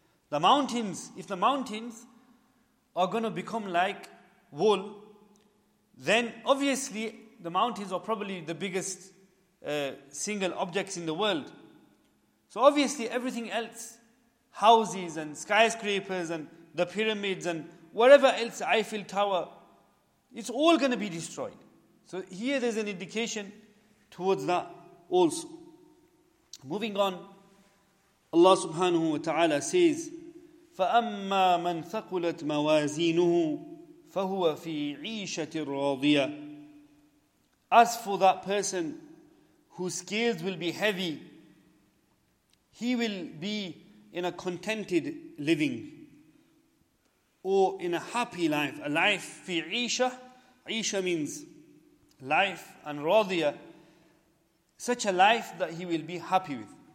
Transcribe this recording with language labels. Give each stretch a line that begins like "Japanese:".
English: The mountains, if the mountains are going to become like wool, then obviously the mountains are probably the biggest single objects in the world. So obviously everything else, houses and skyscrapers and the pyramids and whatever else, Eiffel Tower, it's all going to be destroyed. So here there's an indication towards that also. Moving on, Allah subhanahu wa ta'ala says,
Arabic: فَأَمَّا مَنْ ثَقُلَتْ مَوَازِينُهُ فَهُوَ فِي عِيشَةٍ رَاضِيَةٍ.
English: As for that person whose scales will be heavy, he will be in a contented living or in a happy life, a life fi عِيشَة. عِيشَة means life, and رَاضِيَة, such a life that he will be happy with.